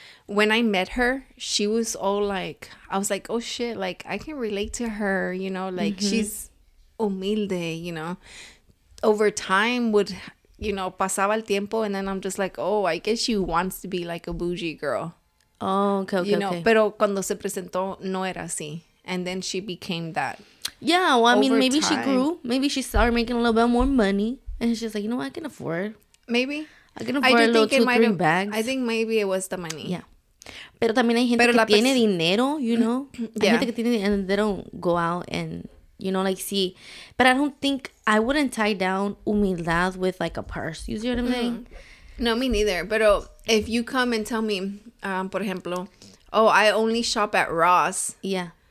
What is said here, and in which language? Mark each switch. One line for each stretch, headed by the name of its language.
English: when I met her, she was all like, I was like, oh shit, like I can relate to her, you know, like she's humilde, you know. Over time would, you know,
Spanish: pasaba el tiempo,
English: and then I'm just like, oh, I guess she wants to be like a bougie girl. Oh, okay, okay. You know, okay.
Spanish: Pero cuando se presentó, no era así.
English: And then she became that. Yeah, well, I mean, maybe she grew. Maybe she started making a little bit more money. And she's like, you know what? I can afford. Maybe. I can afford two, three bags. I think maybe it was the money. Yeah.
Spanish: Pero también hay gente pero que tiene dinero,
English: you know? Yeah.
Spanish: Hay gente que tiene dinero,
English: and they don't go out and, you know, like, see. But I don't think, I wouldn't tie down humildad with, like, a purse. You see what I'm saying? No, me neither. Pero if you come and tell me,
Spanish: por ejemplo,
English: oh, I only shop at Ross. Yeah.